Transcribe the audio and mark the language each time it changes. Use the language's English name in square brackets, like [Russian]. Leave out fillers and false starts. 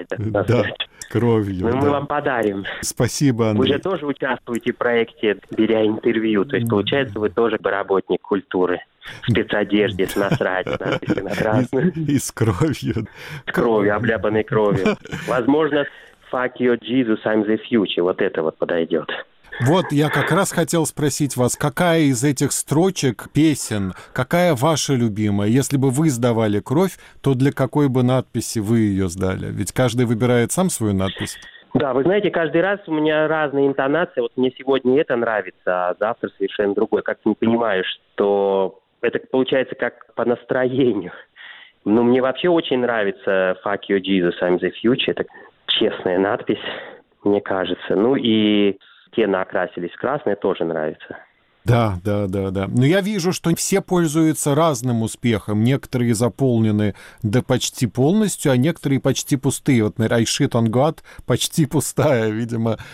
[Russian] Да. Кровью. Ну, да. Мы вам подарим. Спасибо, Андрей. Вы же тоже участвуете в проекте «Беря интервью». То есть, получается, вы тоже бы работник культуры. В спецодежде, с насрать. И с кровью. С кровью, обляпанной кровью. Возможно, [English] «Fuck your Jesus, I'm the future». [Russian] Вот это вот подойдет. Вот я как раз хотел спросить вас, какая из этих строчек, песен, какая ваша любимая? Если бы вы сдавали кровь, то для какой бы надписи вы ее сдали? Ведь каждый выбирает сам свою надпись. Да, вы знаете, каждый раз у меня разные интонации. Вот мне сегодня это нравится, а завтра совершенно другое. Как-то не понимаешь, что это получается как по настроению. Ну, мне вообще очень нравится [English] «Fuck your Jesus, I'm the future». [Russian] Это честная надпись, мне кажется. Ну и «Стены окрасились в красное» тоже нравится. Да. Но я вижу, что все пользуются разным успехом. Некоторые заполнены да почти полностью, а некоторые почти пустые. Вот, например, [English] «I shit on God» [Russian] почти пустая, видимо.